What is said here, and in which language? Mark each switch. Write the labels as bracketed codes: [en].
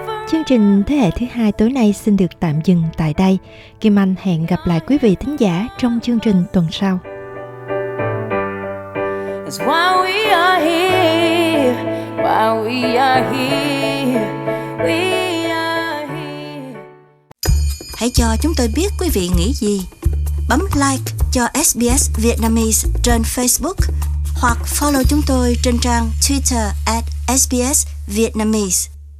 [vi] Chương trình Thế hệ thứ hai tối nay xin được tạm dừng tại đây. Kim Anh hẹn gặp lại quý vị thính giả trong chương trình tuần sau. [en] It's why we are here, why we are here, we are here. [vi] Hãy cho chúng tôi biết quý vị nghĩ gì. Bấm like cho SBS Vietnamese trên Facebook hoặc follow chúng tôi trên trang Twitter @SBS Vietnamese.